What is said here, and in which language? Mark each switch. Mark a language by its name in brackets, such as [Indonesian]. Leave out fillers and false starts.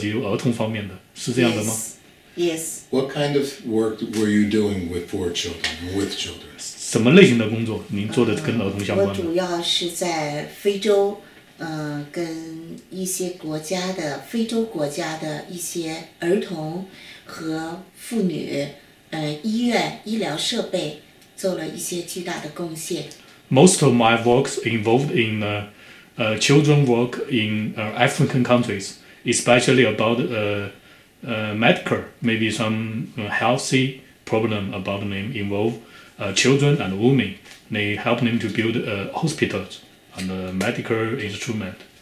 [Chinese] 我相信您就是跟您的工作很多都涉及儿童方面的，是这样的吗？ [English] Yes. What kind of work were you doing with for children, with children? [Chinese] 什么类型的工作您做的跟儿童相关的？我主要是在非洲。跟一些国家的非洲国家的一些儿童和妇女医院医疗设备做了一些巨大的贡献。 [English] Most of my work involved in children work in African countries, especially about medical, maybe some healthy problem about them involve children and women. They help them to build hospitals and medical instrument.